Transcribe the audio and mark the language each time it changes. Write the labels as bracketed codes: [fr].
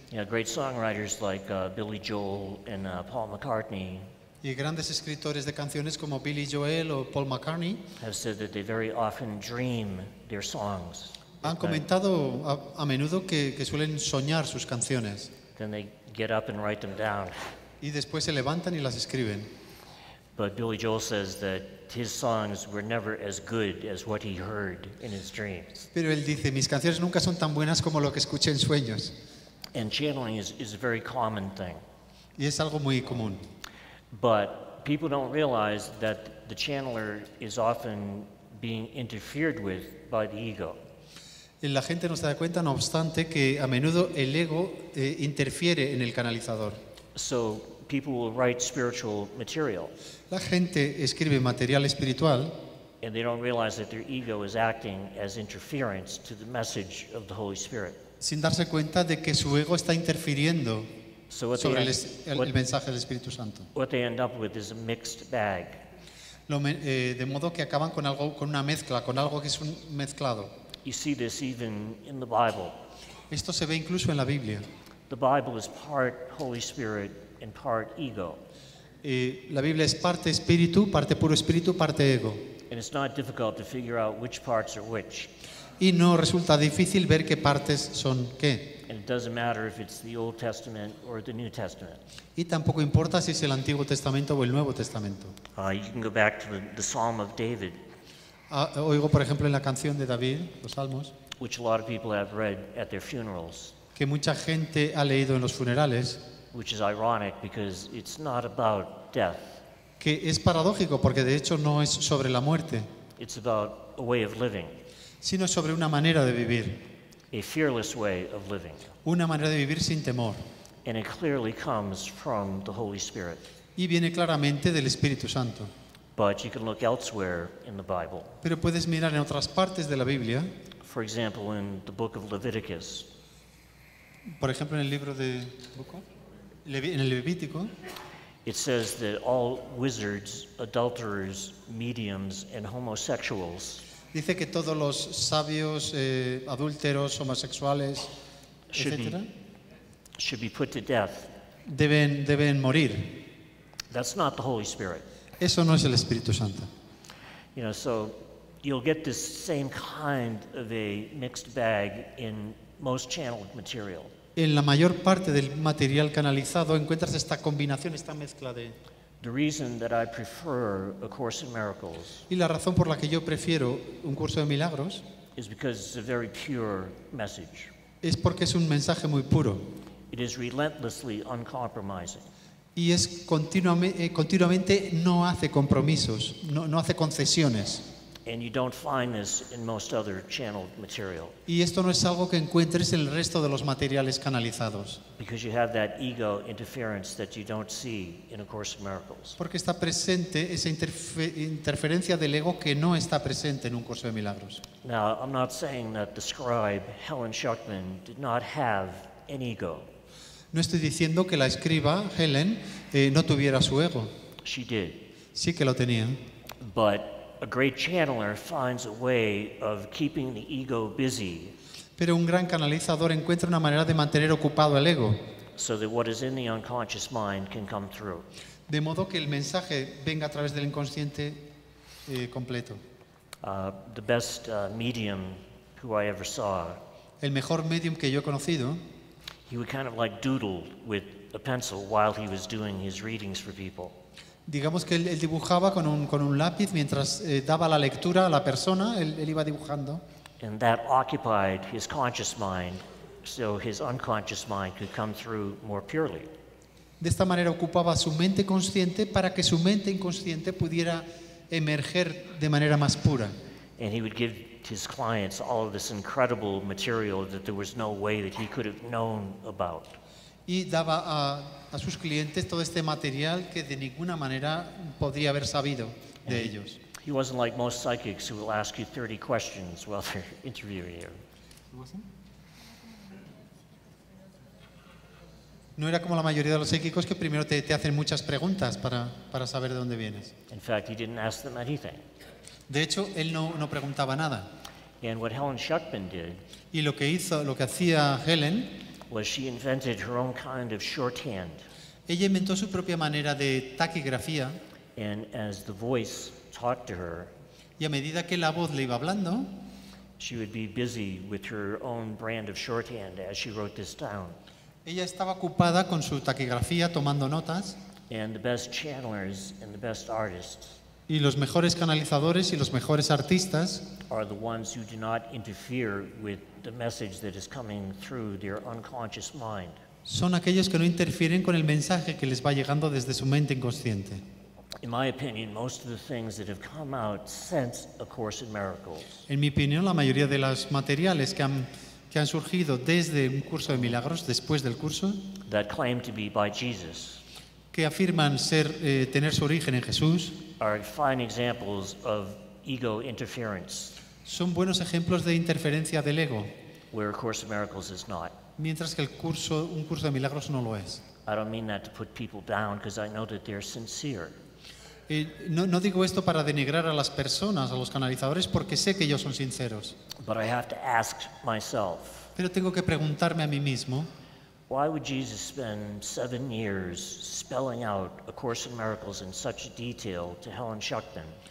[en] Yeah, great songwriters like Billy Joel and Paul McCartney. [es] Y grandes escritores de canciones como Billy Joel o Paul McCartney [en] have said that they very often dream their songs. [es] Han comentado a menudo que suelen soñar sus canciones. [en] Then they get up and write them down. [es] Y después se levantan y las escriben. [en] But Billy Joel says that his songs were never as good as what he heard in his dreams. [es] Pero él dice, mis canciones nunca son tan buenas como lo que escuché en sueños. [en] And channeling is a very common thing. [es] Y es algo muy común. [en] But people don't realize that the channeler is often being interfered with by the ego. [es] Y la gente no se da cuenta, no obstante, que a menudo el ego interfiere en el canalizador. [en] So people will write spiritual material. [es] La gente escribe material espiritual. [en] And they don't realize that their ego is acting as interference to the message of the Holy Spirit. [es] Sin darse cuenta de que su ego está interfiriendo sobre el mensaje del Espíritu Santo. [en] What they end up with is a mixed bag. [es] De modo que acaban con algo, con una mezcla, con algo que es un mezclado. [en] You see this even in the Bible. [es] Esto se ve incluso en la Biblia. [en] The Bible is part Holy Spirit and part ego. [es] La Biblia es parte espíritu, parte puro espíritu, parte ego. [en] And it's not difficult to figure out which parts are which. [es] Y no resulta difícil ver qué partes son qué. [en] And it doesn't matter if it's the Old Testament or the New Testament. [es] Y tampoco importa si es el Antiguo Testamento o el Nuevo Testamento. [en] You can go back to the Psalm of David. [es] Oigo, por ejemplo, en la canción de David, los Salmos, [en] which a lot of people have read at their funerals, [es] que mucha gente ha leído en los funerales, [en] which is ironic because it's not about death. [es] Que es paradójico porque de hecho no es sobre la muerte. [en] It's about a way of living. [es] Sino sobre una manera de vivir. [en] A fearless way of living. [es] Una manera de vivir sin temor. [en] And it clearly comes from the Holy Spirit. [es] Y viene claramente del Espíritu Santo. [en] But you can look elsewhere in the Bible. [es] Pero puedes mirar en otras partes de la Biblia. [en] For example, in the book of Leviticus. [es] Por ejemplo, en el libro de en el Levítico. [en] It says that all wizards, adulterers, mediums, and homosexuals. [es] Dice que todos los sabios, adúlteros, homosexuales, etcétera, [en] should be put to death. [es] Deben morir. [en] That's not the Holy Spirit. [es] Eso no es el Espíritu Santo. [en] You know, so you'll get this same kind of a mixed bag in most channeled material. [es] En la mayor parte del material canalizado encuentras esta combinación, esta mezcla de. [en] The reason that I prefer A Course in Miracles. [es] Y la razón por la que yo prefiero Un Curso de Milagros [en] is because it's a very pure message. [es] Es porque es un mensaje muy puro. [en] It is relentlessly uncompromising. [es] Y es continuamente no hace compromisos, no hace concesiones. [en] And you don't find this in most other channeled material. [es] Y esto no es algo que encuentres en el resto de los materiales canalizados. [en] Because you have that ego interference that you don't see in A Course in Miracles. [es] Porque está presente esa interferencia del ego que no está presente en Un Curso de Milagros. [en] Now, I'm not saying that the scribe Helen Schuckman did not have an ego. [es] No estoy diciendo que la escriba Helen no tuviera su ego. [en] She did. [es] Sí que lo tenía. [en] But a great channeler finds a way of keeping the ego busy. [es] Pero un gran canalizador encuentra una manera de mantener ocupado el ego. [en] So that what is in the unconscious mind can come through. [es] De modo que el mensaje venga a través del inconsciente completo. [en] The best medium who I ever saw. [es] El mejor medium que yo he conocido. [en] He would kind of like doodle with a pencil while he was doing his readings for people. [es] Digamos que él dibujaba con un lápiz mientras daba la lectura a la persona, él iba dibujando. [en] And that occupied his conscious mind, so his unconscious mind could come through more purely. [es] De esta manera ocupaba su mente consciente para que su mente inconsciente pudiera emerger de manera más pura. [en] And he would give his clients all of this incredible material that there was no way that he could have known about. [es] Y daba a sus clientes todo este material que de ninguna manera podría haber sabido de ellos. [en] He wasn't like most psychics who will ask you 30 questions while they're interviewing you. He wasn't? [es] No era como la mayoría de los psíquicos que primero te hacen muchas preguntas para saber de dónde vienes. [en] In fact, he didn't ask them anything. [es] De hecho, él no preguntaba nada. [en] And what Helen Schuckman did, [es] y lo que hacía Helen, [en] was she invented her own kind of shorthand. [es] Ella inventó su propia manera de taquigrafía. [en] And as the voice talked to her, [es] y a medida que la voz le iba hablando, [en] she would be busy with her own brand of shorthand as she wrote this down. [es] Ella estaba ocupada con su taquigrafía tomando notas. [en] And the best channelers and the best artists. [es] Y los mejores canalizadores y los mejores artistas [en] are the ones who do not interfere with the message that is coming through their unconscious mind. [es] Son aquellos que no interfieren con el mensaje que les va llegando desde su mente inconsciente. [en] In my opinion, most of the things that have come out since A Course in Miracles. [es] En mi opinión, la mayoría de los materiales que han surgido desde un curso de milagros, después del curso, [en] that claim to be by Jesus, [es] que afirman ser tener su origen en Jesús, [en] are fine examples of ego interference. [es] Son buenos ejemplos de interferencia del ego. [en] Where A Course in Miracles is not. [es] Mientras que un curso de milagros no lo es. [en] I don't mean that to put people down because I know that they're sincere. [es] No digo esto para denigrar a las personas, a los canalizadores, porque sé que ellos son sinceros. [en] But I have to ask myself, [es] pero tengo que preguntarme a mí mismo, [en] why would Jesus spend 7 years spelling out A Course in Miracles in such detail to Helen Schuckman?